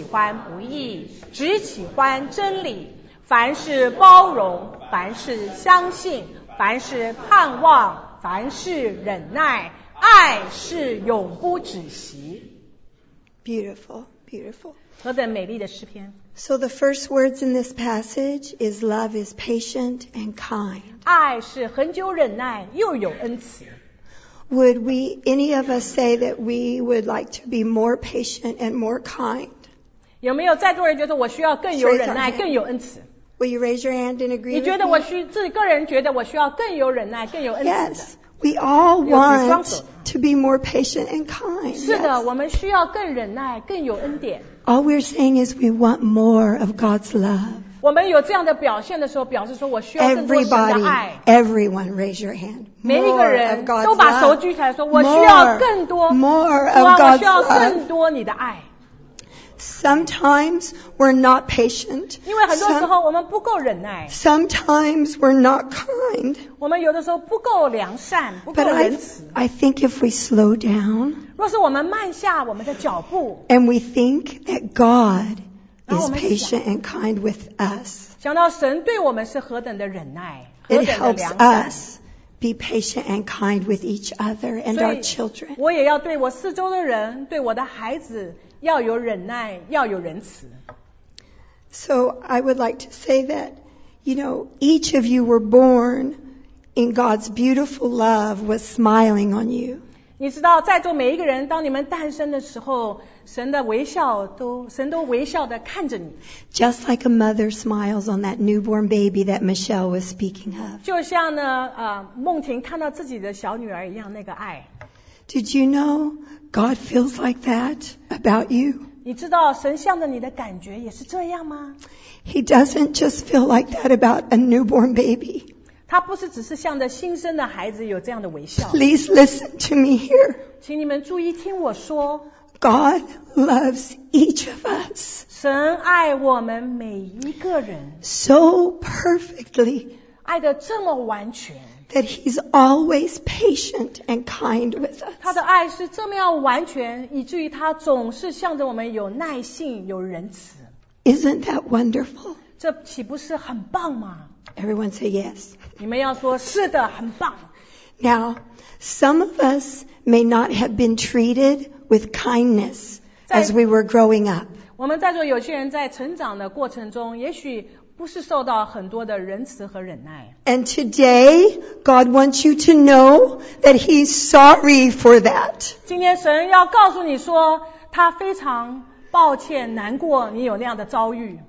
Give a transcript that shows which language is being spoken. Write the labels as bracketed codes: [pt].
[zh] 不张狂,不做害羞的事,不求自己的益处,不轻易发怒,不计算人的恶,不喜欢不义,只喜欢真理,凡事包容,凡事相信, 凡事盼望，凡事忍耐，爱是永不止息。 [en] Beautiful, beautiful. [zh] 何等美丽的诗篇。 [en] So the first words in this passage is love is patient and kind. [zh] 爱是恒久忍耐又有恩慈。 [en] Would we, any of us say that we would like to be more patient and more kind? [zh] 有没有在座人觉得我需要更有忍耐更有恩慈？ [en] Will you raise your hand and agree with me? [zh] 你觉得我需自个人觉得我需要更有忍耐更有恩慈的。 [en] Yes, we all want to be more patient and kind. [zh] 是的，我们需要更忍耐更有恩典。 [en] All we're saying is we want more of God's love. [zh] 我们有这样的表现的时候，表示说我需要更多神的爱。 [en] Everybody, everyone, raise your hand. More of God's love. [zh] 每一个人都把手举起来说，我需要更多。 [en] More of God's love. [zh] 我需要更多你的爱。 [en] Sometimes we're not patient. [zh] 因为很多时候我们不够忍耐。 [en] Sometimes we're not kind. [zh] 我们有的时候不够良善，不够仁慈。 [en] But I think if we slow down, [zh] 若是我们慢下我们的脚步， [en] and we think that God is patient and kind with us, [zh] 想到神对我们是何等的忍耐，何等的良善。 [en] It helps us be patient and kind with each other and our children. [zh] 我也要对我四周的人，对我的孩子。要有忍耐，要有仁慈。 [en] So I would like to say that, you know, each of you were born in God's beautiful love was smiling on you. [zh] 你知道，在座每一个人，当你们诞生的时候，神的微笑都，神都微笑的看着你。 [en] Just like a mother smiles on that newborn baby that Michelle was speaking of. [zh] 就像呢，梦婷看到自己的小女儿一样，那个爱。 [en] Did you know God feels like that about you? [zh] 你知道神向着你的感觉也是这样吗？ [en] He doesn't just feel like that about a newborn baby. [zh] 他不是只是向着新生的孩子有这样的微笑。 [en] Please listen to me here. [zh] 请你们注意听我说。 [en] God loves each of us. [zh] 神爱我们每一个人。 [en] So perfectly. [zh] 爱得这么完全。 [en] That he's always patient and kind with us. [zh] 他的爱是这么样完全，以至于他总是向着我们有耐性，有仁慈。 [en] Isn't that wonderful? [zh] 这岂不是很棒吗？ [en] Everyone say yes. [zh] 你们要说是的，很棒。 [en] Now, some of us may not have been treated with kindness as we were growing up. [zh] 我们在座有些人在成长的过程中，也许。不是受到很多的仁慈和忍耐。 [en] And today, God wants you to know that He's sorry for that. [zh] 今天神要告诉你说，他非常抱歉、难过你有那样的遭遇。